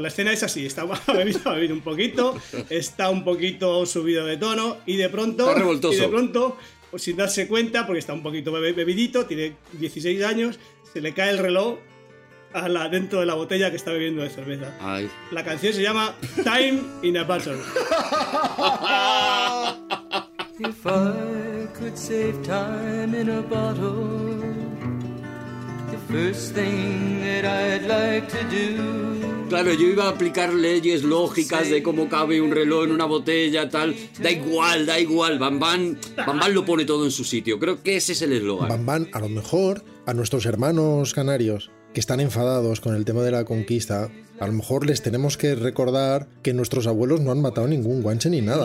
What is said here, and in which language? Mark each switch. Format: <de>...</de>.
<es>La escena es así, ha bebido un poquito, está un poquito subido de tono y de pronto... Está revoltoso. Y de pronto, pues sin darse cuenta, porque está un poquito bebidito, tiene 16 años, se le cae el reloj dentro de la botella que está bebiendo de cerveza. Ay. La canción se llama Time in a Bottle.</es> <en>If I could save time in a bottle, if first thing that I'd like to do.</en> <es>Claro, yo iba a aplicar leyes lógicas de cómo cabe un reloj en una botella, tal. Da igual, Bambán lo pone todo en su sitio. Creo que ese es el eslogan. Bambán, a lo mejor, a nuestros hermanos canarios, que están enfadados con el tema de la conquista, a lo mejor les tenemos que recordar que nuestros abuelos no han matado ningún guanche ni nada.</es>